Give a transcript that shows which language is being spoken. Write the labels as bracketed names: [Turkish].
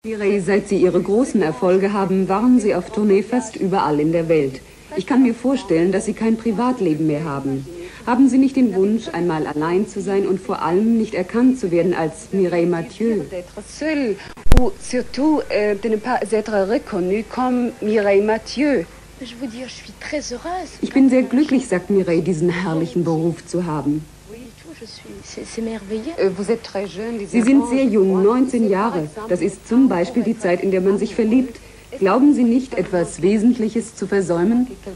[German] Seit Sie Ihre großen Erfolge haben, waren Sie auf Tournee fast überall in der Welt. Ich kann mir vorstellen, dass Sie kein Privatleben mehr haben. Haben Sie nicht den Wunsch, einmal allein zu sein und vor allem nicht erkannt zu werden als Mireille Mathieu? [French] Ou surtout de ne pas être reconnue comme Mireille Mathieu. [German] Ich bin sehr glücklich, sagt Mireille, diesen herrlichen Beruf zu haben. Sie sind sehr jung, 19 Jahre. Das ist zum Beispiel die Zeit, in der man sich verliebt. Glauben Sie nicht, etwas Wesentliches zu versäumen?